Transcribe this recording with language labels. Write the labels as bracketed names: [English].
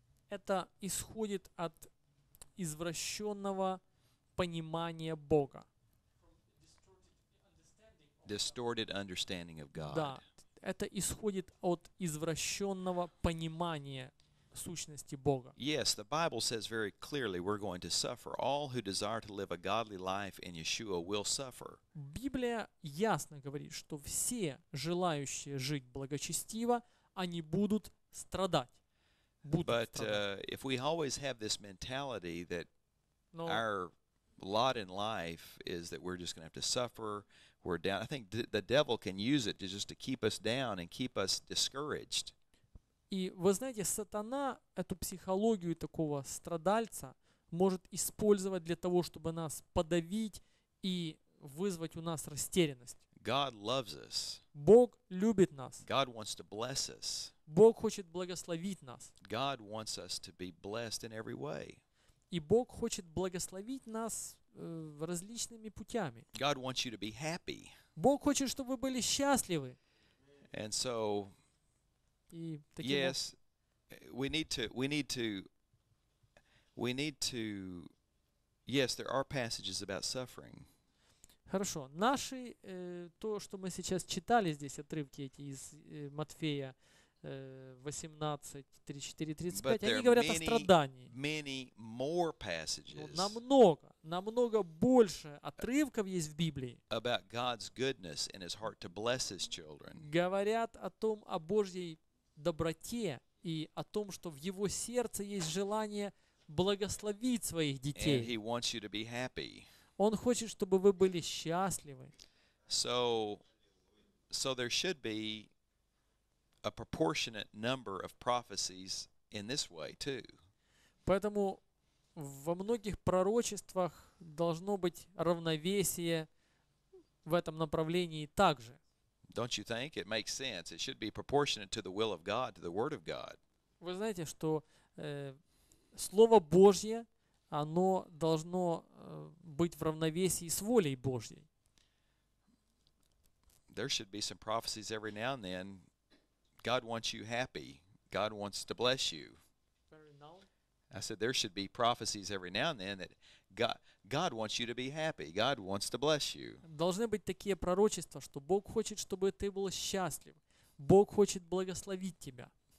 [Russian] Это исходит от извращенного понимание Бога. [English] Distorted understanding of God. [Russian] Да, это исходит от извращенного понимания сущности Бога. [English] Yes, the Bible says very clearly we're going to suffer. All who desire to live a godly life in Yeshua will suffer. [Russian] Библия ясно говорит, что все желающие жить благочестиво, они будут страдать. [English] If we always have this mentality that our lot in life is that we're just going to have to suffer, we're down. I think the devil can use it to keep us down and keep us discouraged. [Russian] И вы знаете, сатана эту психологию такого страдальца может использовать для того, чтобы нас подавить и вызвать у нас растерянность. [English] God loves us. [Russian] Бог любит нас. [English] God wants to bless us. [Russian] Бог хочет благословить нас. [English] God wants us to be blessed in every way. [Russian] И Бог хочет благословить нас различными путями. [English] God wants you to be happy. [Russian] Бог хочет, чтобы вы были счастливы. [English] And so, [Russian] и таким [English] yes, we need to We need to, yes, there are passages about suffering. [Russian] Хорошо. Наши, то, что мы сейчас читали здесь, отрывки эти из Матфея 18:34-35, они говорят о страдании. [English] Many more passages. [Russian] Но намного, намного больше отрывков есть в Библии. [English] About God's goodness and His heart to bless His children. [Russian] Говорят о том, о Божьей доброте и о том, что в Его сердце есть желание благословить своих детей. [English] And He wants you to be happy. [Russian] Он хочет, чтобы вы были счастливы. [English] So there should be a proportionate number of prophecies in this way too. [Russian] Поэтому во многих пророчествах должно быть равновесие в этом направлении также. [English] Don't you think it makes sense? It should be proportionate to the will of God, to the word of God. [Russian] Вы знаете, что слово Божье, оно должно быть в равновесии с волей Божьей. [English] There should be some prophecies every now and then. God wants you happy. God wants to bless you. I said there should be prophecies every now and then that God wants you to be happy. God wants to bless you. [Russian] Должны быть такие пророчества, что Бог хочет, чтобы ты был счастлив. Бог хочет благословить тебя.